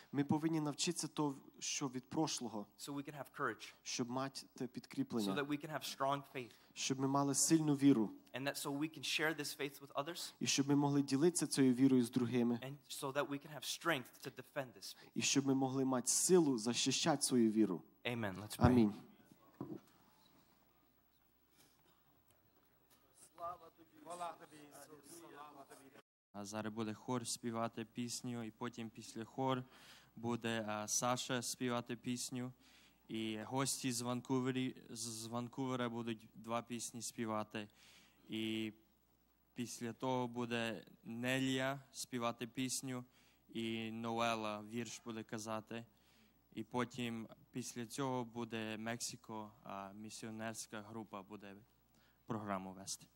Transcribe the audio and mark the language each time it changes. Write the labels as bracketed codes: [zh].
[uk] ми повинні навчитися то, що від прошлого, [en] so we can have courage, [uk] щоб мати те підкріплення, [en] so that we can have strong faith, [uk] щоб ми мали сильну віру, [en] and that so we can share this faith with others, [uk] і щоб ми могли ділитися цією вірою з другими, [en] and so that we can have strength to defend this faith, [uk] і щоб ми могли мати силу захищати свою віру. [en] Amen. Let's pray. [uk] А зараз буде хор співати пісню, і потім після хор буде Саша співати пісню, і гості з Ванкувера будуть два пісні співати, і після того буде Нелія співати пісню, і Ноела вірш буде казати, і потім після цього буде Мексико, місіонерська група буде програму вести.